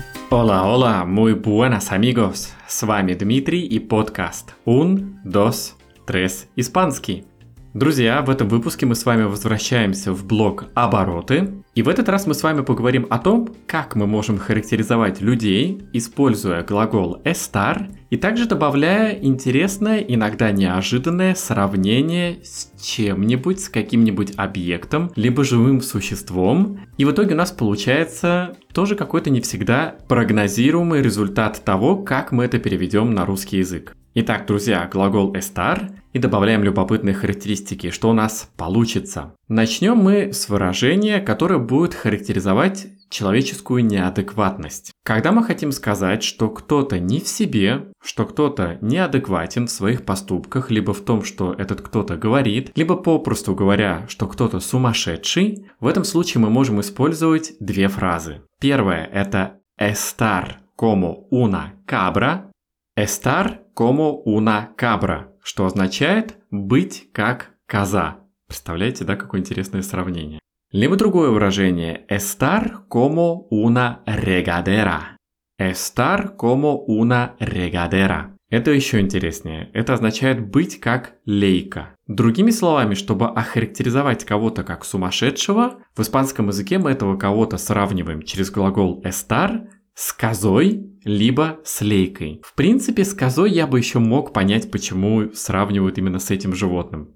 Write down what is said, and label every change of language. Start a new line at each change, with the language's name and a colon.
Spanish: Hola, hola, muy buenas amigos.
Russian: С вами Дмитрий и подкаст Un, dos, tres, испанский. Друзья, в этом выпуске мы с вами возвращаемся в блок «Обороты». И в этот раз мы с вами поговорим о том, как мы можем характеризовать людей, используя глагол «estar», и также добавляя интересное, иногда неожиданное сравнение с чем-нибудь, с каким-нибудь объектом, либо живым существом. И в итоге у нас получается тоже какой-то не всегда прогнозируемый результат того, как мы это переведем на русский язык. Итак, друзья, глагол «estar», и добавляем любопытные характеристики, что у нас получится. Начнем мы с выражения, которое будет характеризовать человеческую неадекватность. Когда мы хотим сказать, что кто-то не в себе, что кто-то неадекватен в своих поступках, либо в том, что этот кто-то говорит, либо попросту говоря, что кто-то сумасшедший, в этом случае мы можем использовать две фразы. Первая – это
Spanish: «estar como una cabra»,
Russian: «estar como una cabra», что означает «быть как коза». Представляете, да, какое интересное сравнение? Либо другое выражение
Spanish: «estar como una regadera». «Estar como una regadera».
Russian: Это еще интереснее. Это означает «быть как лейка». Другими словами, чтобы охарактеризовать кого-то как сумасшедшего, в испанском языке мы этого кого-то сравниваем через глагол
Spanish: «estar»
Russian: с козой, либо с лейкой. В принципе, с козой я бы еще мог понять, почему сравнивают именно с этим животным.